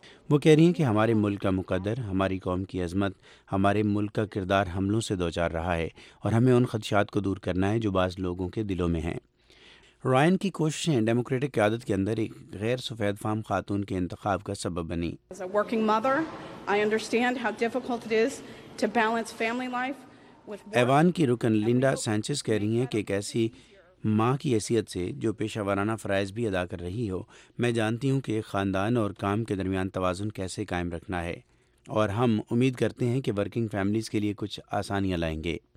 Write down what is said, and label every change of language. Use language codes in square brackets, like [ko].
[ur] وہ کہہ رہی ہیں کہ ہمارے ملک کا مقدر, ہماری قوم کی عظمت, ہمارے ملک کا کردار حملوں سے دوچار رہا ہے اور ہمیں ان خدشات کو دور کرنا ہے جو بعض لوگوں کے دلوں میں ہیں. رائن کی کوششیں ڈیموکریٹک قیادت کے اندر ایک غیر سفید فام خاتون کے انتخاب کا سبب بنی. [en] As a working mother, I understand how difficult it is to balance family life with work. [ur] ایوان کی رکن لنڈا سانچز کہہ رہی ہیں کہ ایک ایسی ماں کی حیثیت سے جو پیشہ وارانہ فرائض بھی ادا کر رہی ہو, میں جانتی ہوں کہ خاندان اور کام کے درمیان توازن کیسے قائم رکھنا ہے, اور ہم امید کرتے ہیں کہ ورکنگ فیملیز کے لیے کچھ آسانیاں لائیں گے.